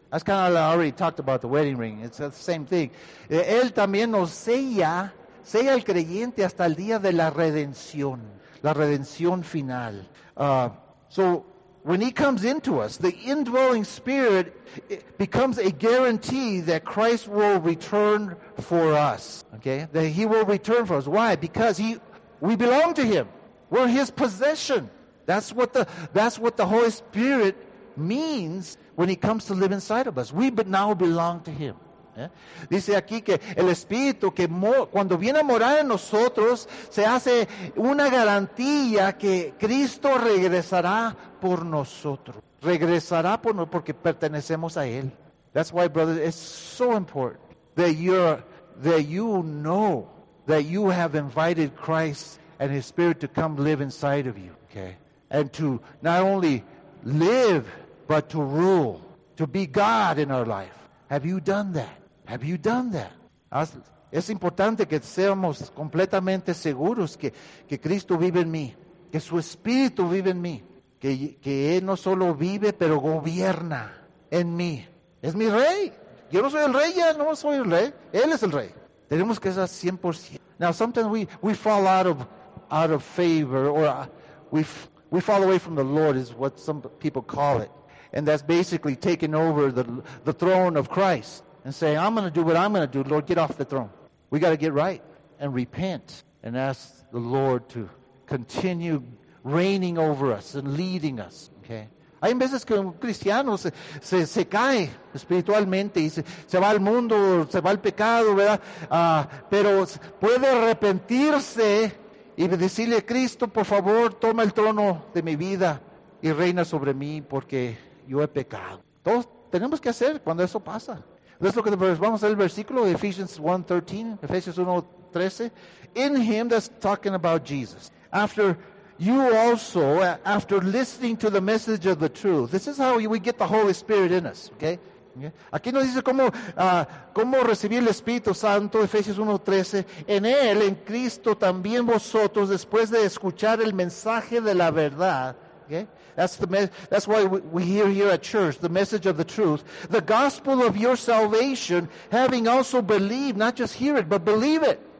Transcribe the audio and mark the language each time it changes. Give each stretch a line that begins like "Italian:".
English: That's kind of like I already talked about the wedding ring. It's the same thing.
Spanish: Él también nos sella al creyente hasta el día de la redención final.
English: So when he comes into us, the indwelling spirit becomes a guarantee that Christ will return for us. Okay? That he will return for us. Why? Because we belong to him. We're his possession. That's what the Holy Spirit means when he comes to live inside of us. We but now belong to him. Yeah?
Spanish: Dice aquí que el Espíritu que cuando viene a morar en nosotros se hace una garantía que Cristo regresará por nosotros. Regresará por nosotros porque pertenecemos a él.
English: That's why, brothers, it's so important that you have invited Christ and his Spirit to come live inside of you. Okay. And to not only live, but to rule, to be God in our life. Have you done that? Have you done that?
Spanish: Es importante que seamos completamente seguros que Cristo vive en mí, que su Espíritu vive en mí, que Él no solo vive, pero gobierna en mí. Es mi rey. Yo no soy el rey ya, no soy el rey. Él es el rey. Tenemos que estar 100%.
English: Now, sometimes we fall out of favor, or we fall away from the Lord is what some people call it. And that's basically taking over the throne of Christ and saying, I'm going to do what I'm going to do. Lord, get off the throne. We got to get right and repent and ask the Lord to continue reigning over us and leading us. Okay?
Spanish: Hay veces que un cristiano se cae espiritualmente y se va al mundo, se va al pecado, ¿verdad? Pero puede arrepentirse y decirle, Cristo, por favor, toma el trono de mi vida y reina sobre mí porque yo he pecado. Todos tenemos que hacer cuando eso pasa.
English: Let's look at the verse.
Spanish: Vamos a ver el versículo de Ephesians 1:13.
English: In him, that's talking about Jesus. After you also, after listening to the message of the truth. This is how we get the Holy Spirit in us. Okay? Yeah.
Spanish: Aquí nos dice cómo recibir el Espíritu Santo, Efesios 1:13. En él, en Cristo, también vosotros, después de escuchar el mensaje de la verdad.
English: Okay? That's why we hear here at church the message of the truth. The gospel of your salvation, having also believed, not just hear it, but believe it.